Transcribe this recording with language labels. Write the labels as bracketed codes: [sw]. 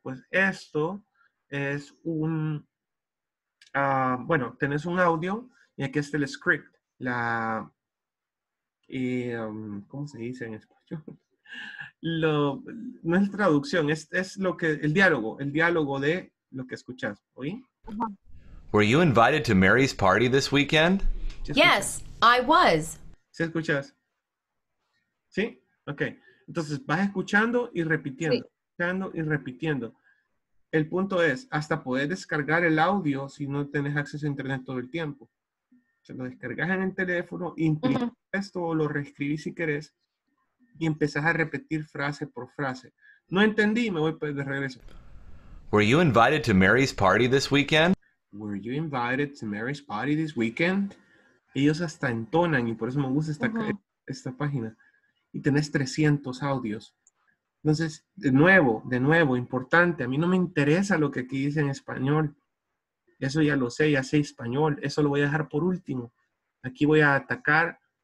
[es] Pues esto es un... bueno, tenés un audio y aquí está el script. ¿Cómo se dice en español? No es traducción, es lo que el diálogo de lo que escuchas. ¿Oí? [en] Were you invited to Mary's party this weekend? Yes, I was. [es] ¿Sí escuchas? ¿Sí? Ok. Entonces vas escuchando y repitiendo. Sí. Escuchando y repitiendo. El punto es, hasta poder descargar el audio si no tienes acceso a internet todo el tiempo. Se lo descargas en el teléfono, imprimes esto o lo reescribís si querés y empezás a repetir frase por frase. No entendí, me voy de regreso. [en] Were you invited to Mary's party this weekend? Were you invited to Mary's party this weekend? [es] Ellos hasta entonan y por eso me gusta esta página. Y tenés 300 audios. Entonces, de nuevo, importante. A mí no me interesa lo que aquí dice en español. Eso ya lo sé, ya sé español. Eso lo voy a dejar por último. Aquí voy a atacar.